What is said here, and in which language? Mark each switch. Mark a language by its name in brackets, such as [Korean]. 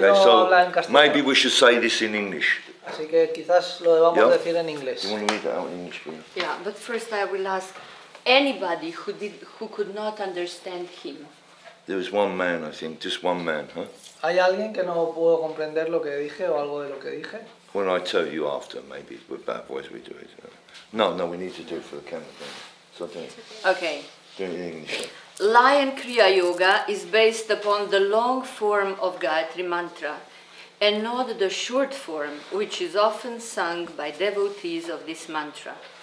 [English] so maybe we should say this in English. [Spanish] Así que quizás lo debamos decir en inglés. [English] You want to read that out in English, please? Yeah, but first I will ask anybody who could not understand him. There was one man, I think, just one man, huh? [Spanish] ¿Hay alguien que no pudo comprender lo que dije o algo de lo que dije? [English] Well, I tell you after, maybe, with bad voice we do it. No, we need to do it for the camera. Then. So okay. Doing it in English. Lion Kriya Yoga is based upon the long form of Gayatri Mantra and not the short form, which is often sung by devotees of this mantra.